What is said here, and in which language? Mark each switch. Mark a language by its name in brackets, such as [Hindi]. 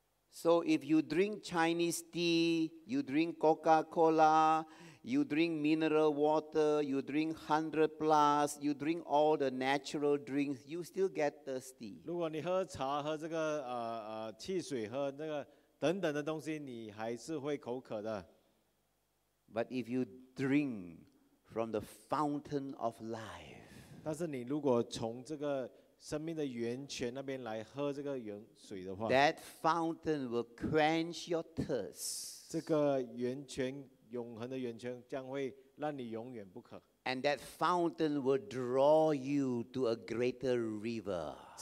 [English] So if you drink Chinese tea, you drink Coca-Cola, you drink mineral water, you drink 100 plus, you drink all the natural drinks, you still get thirsty. [Chinese] 如果你喝茶、喝汽水、喝等等的东西，你还是会口渴的。 [English] But if you drink from the fountain of life, [Chinese] 但是你如果从这个生命的源泉那边来喝这个水的话, [English] that fountain will quench your thirst. [Chinese] 这个源泉 永恒的源泉将会让你永远不渴。 [English] And that fountain will draw you to a greater river.